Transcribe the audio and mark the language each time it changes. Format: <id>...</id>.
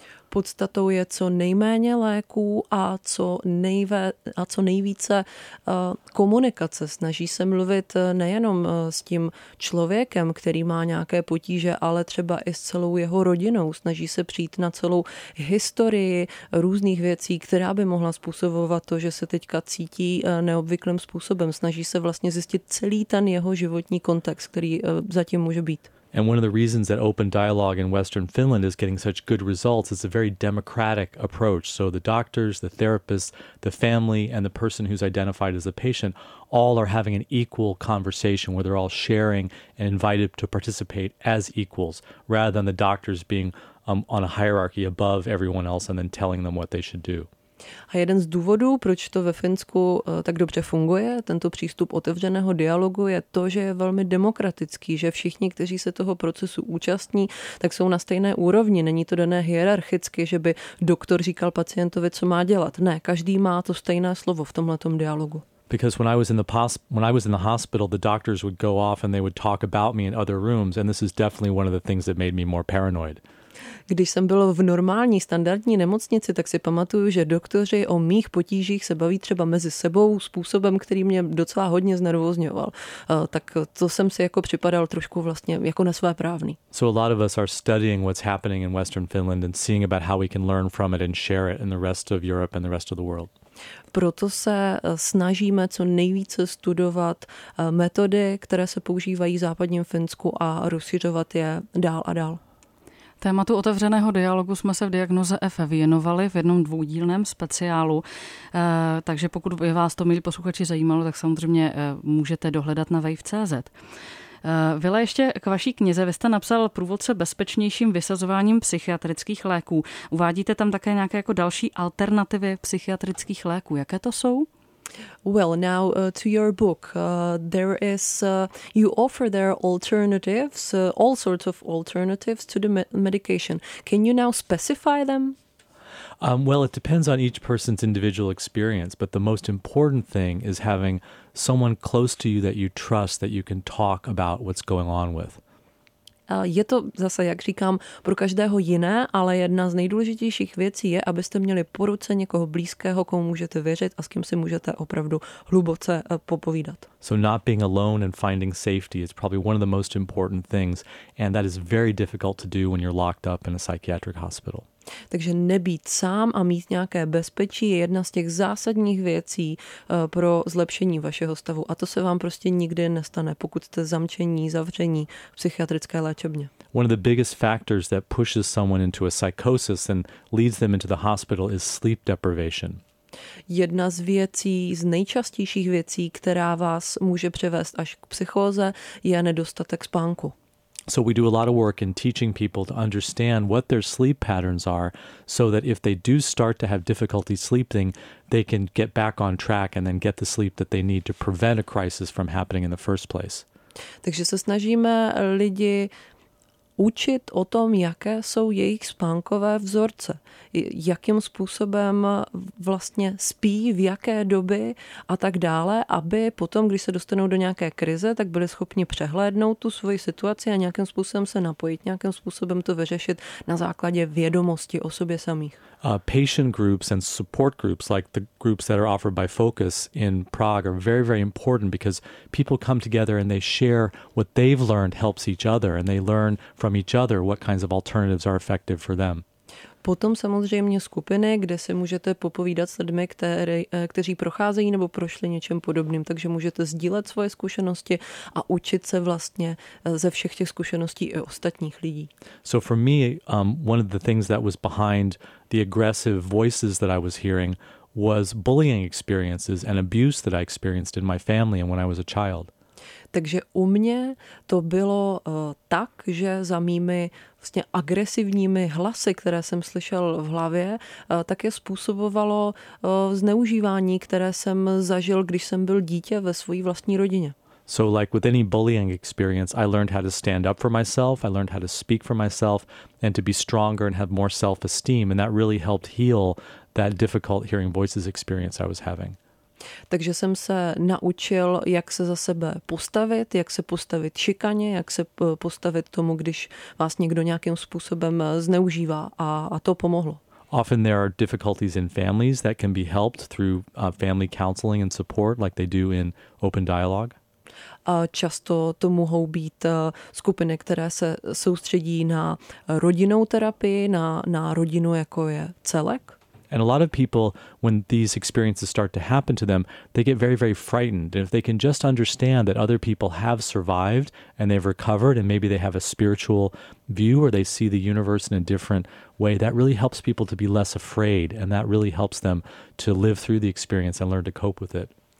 <cs>Podstatou je co nejméně léků a co nejvíce komunikace. Snaží se mluvit nejenom s tím člověkem, který má nějaké potíže, ale třeba i s celou jeho rodinou. Snaží se přijít na celou historii různých věcí, která by mohla způsobovat to, že se teďka cítí neobvyklým způsobem. Snaží se vlastně zjistit celý ten jeho životní kontext, který zatím může být.</cs> <en>And one of the reasons that open dialogue in Western Finland is getting such good results is a very democratic approach. So the doctors, the therapists, the family, and the person who's identified as a patient all are having an equal conversation where they're all sharing and invited to participate as equals, rather than the doctors being on a hierarchy above everyone else and then telling them what they should do.</en> <cs>A jeden z důvodů, proč to ve Finsku tak dobře funguje, tento přístup otevřeného dialogu, je to, že je velmi demokratický, že všichni, kteří se toho procesu účastní, tak jsou na stejné úrovni. Není to dané hierarchicky, že by doktor říkal pacientovi, co má dělat. Ne, každý má to stejné slovo v tomhletom dialogu.</cs> <en>Because when I was in the hospital, the doctors would go off and they would talk about me in other rooms, and this is definitely one of the things that made me more paranoid.</en> <cs>Když jsem byl v normální standardní nemocnici, tak si pamatuju, že doktoři o mých potížích se baví třeba mezi sebou způsobem, který mě docela hodně znervozňoval. Tak to jsem si jako připadal trošku vlastně jako nesvéprávný.</cs> <en>So a lot of us are studying what's happening in Western Finland and seeing about how we can learn from it and share it in the rest of Europe and the rest of the world.</en> <cs>Proto se snažíme co nejvíce studovat metody, které se používají v západním Finsku a rozšiřovat je dál a dál. Tématu otevřeného dialogu jsme se v Diagnoze F věnovali v jednom dvoudílném speciálu, takže pokud by vás to, milí posluchači, zajímalo, tak samozřejmě můžete dohledat na wave.cz. Vile, ještě k vaší knize. Vy jste napsal průvodce bezpečnějším vysazováním psychiatrických léků. Uvádíte tam také nějaké jako další alternativy psychiatrických léků. Jaké to jsou?</cs> <en>Well, now to your book, there is, you offer there alternatives, all sorts of alternatives to the medication. Can you now specify them? Well, it depends on each person's individual experience, but the most important thing is having someone close to you that you trust that you can talk about what's going on with.</en> <cs>Je to zase, jak říkám, pro každého jiné, ale jedna z nejdůležitějších věcí je, abyste měli po ruce někoho blízkého, komu můžete věřit a s kým si můžete opravdu hluboce popovídat.</cs> <en>So not being alone and finding safety is probably one of the most important things, and that is very difficult to do when you're locked up in a psychiatric hospital.</en> <cs>Takže nebýt sám a mít nějaké bezpečí je jedna z těch zásadních věcí pro zlepšení vašeho stavu. A to se vám prostě nikdy nestane, pokud jste zamčení, zavření v psychiatrické léčebně.</cs> <en>One of the biggest factors that pushes someone into a psychosis and leads them into the hospital is sleep deprivation.</en> <cs>Jedna z věcí, z nejčastějších věcí, která vás může přivést až k psychóze, je nedostatek spánku.</cs> <en>So we do a lot of work in teaching people to understand what their sleep patterns are so that if they do start to have difficulty sleeping, they can get back on track and then get the sleep that they need to prevent a crisis from happening in the first place.</en> <cs>Takže se snažíme lidi učit o tom, jaké jsou jejich spánkové vzorce, jakým způsobem vlastně spí, v jaké doby a tak dále, aby potom, když se dostanou do nějaké krize, tak byli schopni přehlédnout tu svoji situaci a nějakým způsobem se napojit, nějakým způsobem to vyřešit na základě vědomosti o sobě samých.</cs> <en>Patient groups and support groups like the groups that are offered by Focus in Prague are very, very important because people come together and they share what they've learned helps each other and they learn from each other what kinds of alternatives are effective for them.</en> <cs>Potom samozřejmě skupiny, kde se můžete popovídat s lidmi, kteří procházejí nebo prošli něčem podobným, takže můžete sdílet svoje zkušenosti a učit se vlastně ze všech těch zkušeností i ostatních lidí.</cs> <en>So for me, one of the things that was behind the aggressive voices that I was hearing was bullying experiences and abuse that I experienced in my family and when I was a child.</en> <cs>Takže u mě to bylo tak, že za mými vlastně agresivními hlasy, které jsem slyšel v hlavě, tak je způsobovalo zneužívání, které jsem zažil, když jsem byl dítě ve své vlastní rodině.</cs> <en>So like with any bullying experience, I learned how to stand up for myself, I learned how to speak for myself and to be stronger and have more self-esteem, and that really helped heal that difficult hearing voices experience I was having.</en> <cs>Takže jsem se naučil, jak se za sebe postavit, jak se postavit šikaně, jak se postavit tomu, když vás někdo nějakým způsobem zneužívá, a to pomohlo.</cs> <en>Often there are difficulties in families that can be helped through family counseling and support like they do in Open Dialogue.</en> <cs>A často to mohou být skupiny, které se soustředí na rodinnou terapii, na rodinu, jako je celek.</cs> <en>And a lot of people, when these experiences start to happen to them, they get very, very frightened. And if they can just understand that other people have survived and they've recovered and maybe they have a spiritual view or they see the universe in a different way, that really helps people to be less afraid and that really helps them to live through the experience and learn to cope with it.</en>